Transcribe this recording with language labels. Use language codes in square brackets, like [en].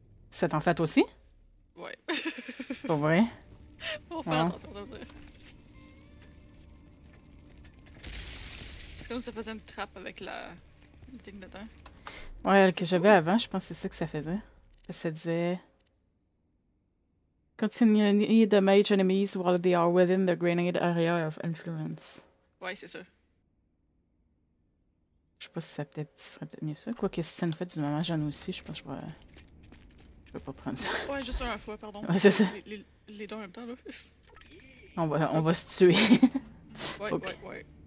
[fr] Ça t'en fait aussi? Ouais. Pour vrai? Faut faire attention, ça veut dire. C'est comme si ça faisait une trappe avec la. Le thing dedans. Ouais, c'est que cool. J'avais avant, je pense que c'est ça que ça faisait. Ça disait. [en] Continue the damage enemies while they are within the grenade area of influence. [fr] Ouais, c'est ça. Je sais pas si ça, ça serait peut-être mieux ça. Quoique, si ça nous fait du moment, j'en ai aussi, je pense que je vais. Je vais pas prendre ça. Ouais, juste un à la fois, pardon. Ouais, c'est ça. Les deux en même temps, là. On va se tuer. Ouais, okay. ouais.